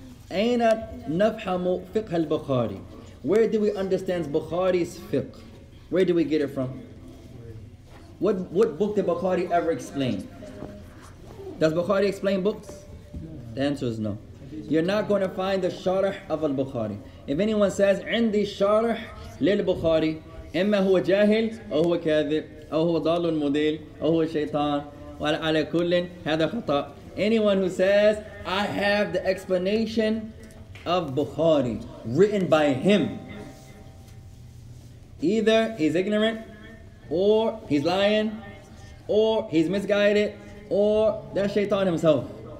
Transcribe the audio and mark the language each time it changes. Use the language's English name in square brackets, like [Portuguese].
[Arabic] Aina nafhamu fiqh al-Bukhari. [English] Where do we understand Bukhari's fiqh? Where do we get it from? What book did Bukhari ever explain? Does Bukhari explain books? The answer is no. You're not going to find the sharh of al-Bukhari. If anyone says, [Arabic] عندي شارح للبخاري, إما هو جاهل أو هو كاذب أو هو ضال مدل أو هو شيطان وعلى كل هذا خطأ. [English] Anyone who says, I have the explanation of Bukhari written by him. Either he's ignorant or he's lying or he's misguided or that's shaitan himself.